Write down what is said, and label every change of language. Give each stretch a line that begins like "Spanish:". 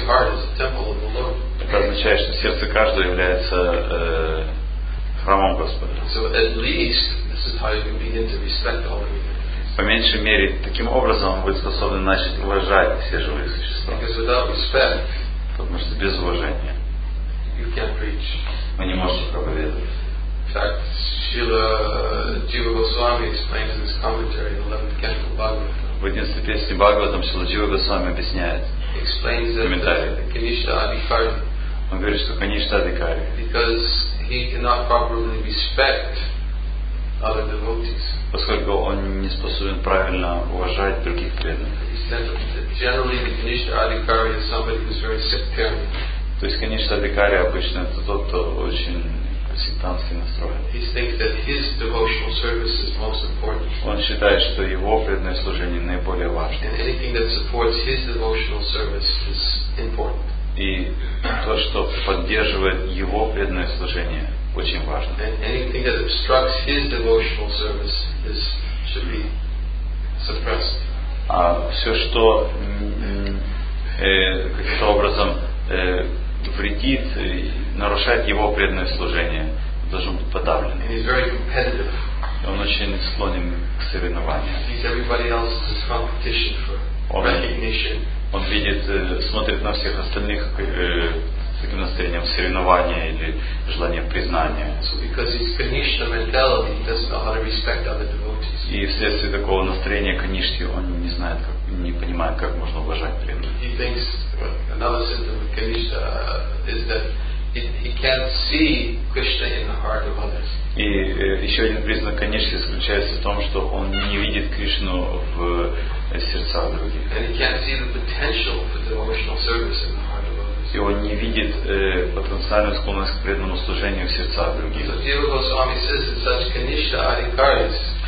Russian: Это означает, что сердце каждого является храмом Господа.
English: So at least this is how you can begin to respect all the.
Russian: По меньшей мере, таким образом вы способны начать уважать все живые существа.
English: Because without respect,
Russian: потому что без уважения
English: you can't preach.
Russian: Вы не можете проповедовать.
English: In fact, Srila Jiva Goswami explains in his commentary in the 11th canto of Bhagavatam.
Russian: В 11 песне Бхагаватам Шрила Джива Госвами объясняет.
English: Explains that
Russian: он говорит, что Каништа Адхикари.
English: Because he cannot properly respect other devotees.
Russian: Поскольку он не способен правильно уважать других преданных.
English: He said that generally the Kanishta Adhikari is somebody who's very sectarian.
Russian: То есть, конечно, Адхикари обычно это тот, кто очень сектантски настроен.
English: He thinks that his devotional service is most important.
Russian: Он считает, что его преданное служение наиболее важно.
English: And anything that supports his devotional service is important.
Russian: И то, что поддерживает его преданное служение, очень важно.
English: And anything that obstructs his devotional service is, should be suppressed.
Russian: А все, что каким-то образом вредит, нарушает его преданное служение, должен быть подавлен.
English: And he's very competitive.
Russian: Он очень склонен к соревнованиям.
English: He's everybody else's competition for recognition.
Russian: Он видит, смотрит на всех остальных с таким настроением соревнования или желанием признания.
English: So because his Kanishka mentality, he doesn't know how to respect other devotees.
Russian: И вследствие такого настроения Канишки он не знает, как, не понимает, как можно уважать преданных.
English: He thinks another symptom of Kanishka is that he can't see Krishna in the heart of others.
Russian: И еще один признак Канишки заключается в том, что он не видит Кришну в сердцах других.
English: And he can't see the potential for devotional service in the heart of others.
Russian: И он не видит потенциальную склонность к преданному служению в сердцах других.
English: So Jiva Goswami says that such Kanishka Adhikaris.